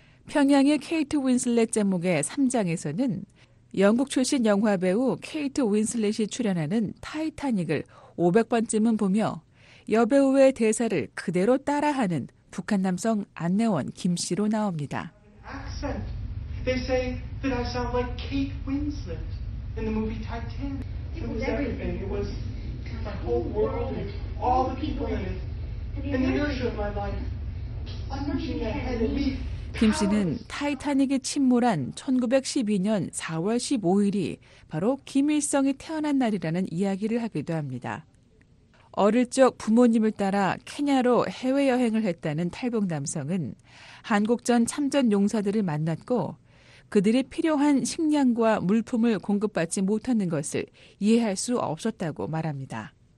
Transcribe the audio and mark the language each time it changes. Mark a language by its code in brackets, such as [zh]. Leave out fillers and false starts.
[ko] 평양의 케이트 윈슬렛 제목의 3장에서는 영국 출신 영화 배우 케이트 윈슬렛이 출연하는 타이타닉을 500번쯤은 보며 여배우의 대사를 그대로 따라하는 북한 남성 안내원 김 씨로 나옵니다. [en] They say that I sound like Kate Winslet in the movie Titanic. It was everything. It was the whole world and all the people in it. And the inertia of my life. I'm marching ahead of me. [ko] 김 씨는 타이타닉이 침몰한 1912년 4월 15일이 바로 김일성이 태어난 날이라는 이야기를 하기도 합니다. 어릴 적 부모님을 따라 케냐로 해외여행을 했다는 탈북 남성은 한국전 참전 용사들을 만났고 그들이 필요한 식량과 물품을 공급받지 못하는 것을 이해할 수 없었다고 말합니다.